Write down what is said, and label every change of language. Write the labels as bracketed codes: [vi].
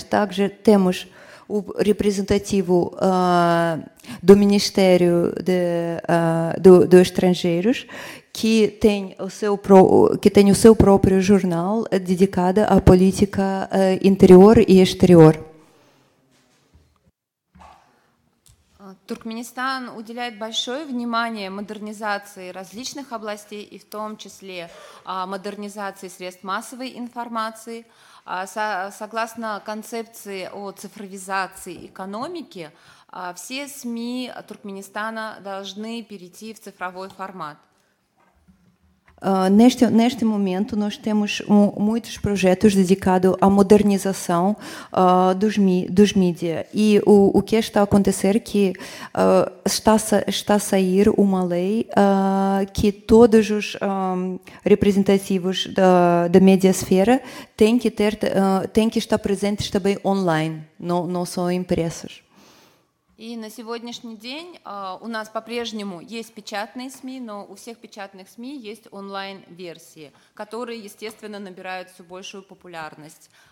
[ru] Также [pt] temos o representativo do Ministério dos Estrangeiros, que tem o seu próprio jornal dedicado à política interior e exterior. [ru] Туркменистан уделяет большое внимание модернизации различных областей, и в том числе модернизации средств массовой информации. Согласно концепции о цифровизации экономики, все СМИ Туркменистана должны перейти в цифровой формат. [pt] Neste momento, nós temos muitos projetos dedicados à modernização dos mídias. E o que está a acontecer é que está a sair uma lei que todos os representativos da mediasfera têm que estar presentes também online, não só impressos. [ru] И на сегодняшний день у нас по-прежнему есть печатные СМИ, но у всех печатных СМИ есть онлайн-версии, которые, естественно, набирают все большую популярность.